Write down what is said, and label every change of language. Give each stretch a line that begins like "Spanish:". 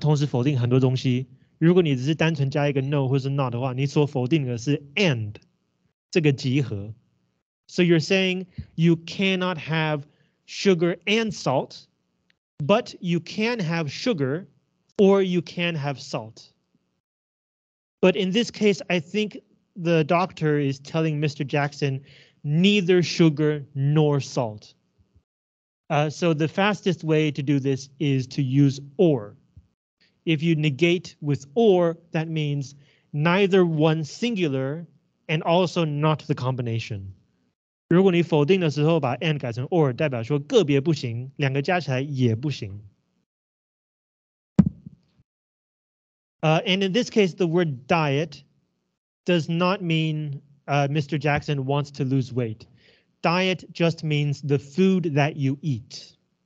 Chinese: 如果你在英文里面你要同时否定很多东西，如果你只是单纯加一个 no 或是 not 的话，你所否定的是 and 这个集合。
English: So you're saying you cannot have sugar and salt, but you can have sugar or you can have salt. But in this case, I think the doctor is telling Mr. Jackson neither sugar nor salt. So the fastest way to do this is to use or. If you negate with or, that means neither one singular and also not the combination.
Chinese: 如果你否定的时候把and改成or 代表说个别不行,两个加起来也不行。
English: And in this case, the word diet does not mean Mr. Jackson wants to lose weight. Diet just means the food that you eat.